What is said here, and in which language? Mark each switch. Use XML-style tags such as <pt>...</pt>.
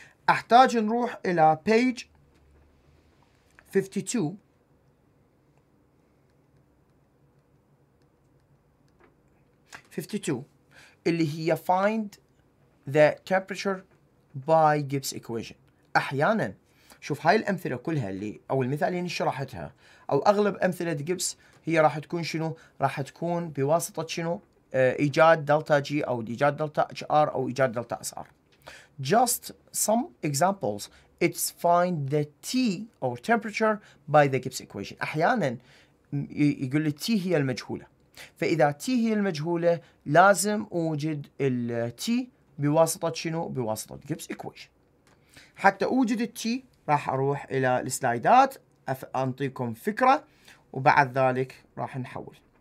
<ar>أحتاج نروح إلى page 52 اللي هي</ar> <en>find the temperature by Gibbs equation.</en> <ar>أحيانا شوف هاي الأمثلة كلها اللي أو المثال اللي شرحتها أو أغلب أمثلة Gibbs هي راح تكون شنو؟ راح تكون بواسطة شنو؟ إيجاد دلتا جي أو إيجاد دلتا اتش ار أو إيجاد دلتا اس ار.</ar> <en>Just some examples. It's find the T or temperature by the Gibbs equation.</en> <ar>أحياناً يقول لي T هي المجهولة. فإذا T هي المجهولة لازم أوجد ال T بواسطة شنو؟ بواسطة Gibbs equation. حتى أوجد ال T راح أروح إلى السلايدات أنطيكم فكرة وبعد ذلك راح نحول.</ar>